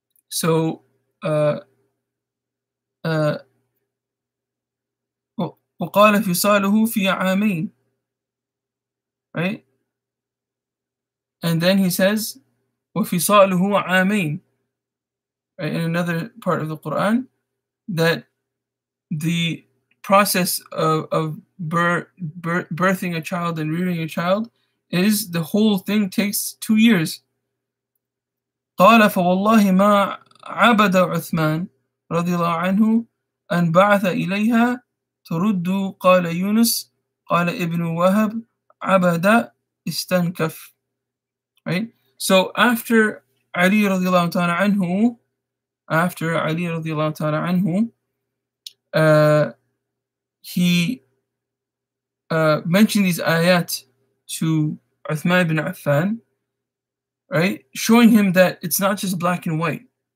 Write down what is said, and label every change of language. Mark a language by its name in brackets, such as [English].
[Arabic] So, وقال فصاله في عامين. [English] Right? And then he says, [Arabic] وفصاله عامين. [English] Right? In another part of the Quran, that the process of birthing a child and rearing a child is the whole thing takes 2 years. [Arabic] قال فوالله ما عبد عثمان رضي الله عنه أن بعث إليها ترد قال يونس قال ابن وهب عبد استنكف. [English] Right, so after Ali رضي الله تعالى عنه, after Ali رضي الله تعالى عنه, he mentioned these ayat to Uthman ibn Affan, right, showing him that it's not just black and white.